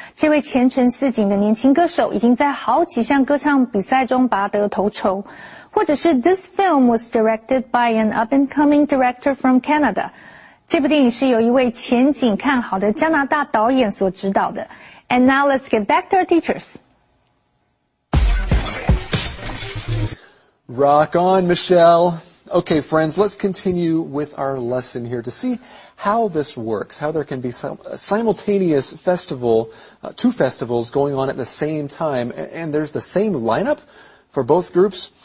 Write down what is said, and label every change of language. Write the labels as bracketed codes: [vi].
[zh] 这位前程似锦的年轻歌手已经在好几项歌唱比赛中拔得头筹。或者是 [en] This film was directed by an up-and-coming director from Canada. [zh] 这部电影是由一位前景看好的加拿大导演所指导的。 [en] And now let's get back to our teachers. Rock on, Michelle. Okay, friends, let's continue with our lesson here to see how this works, how there can be a simultaneous festival, two festivals going on at the same time, and there's the same lineup for both groups.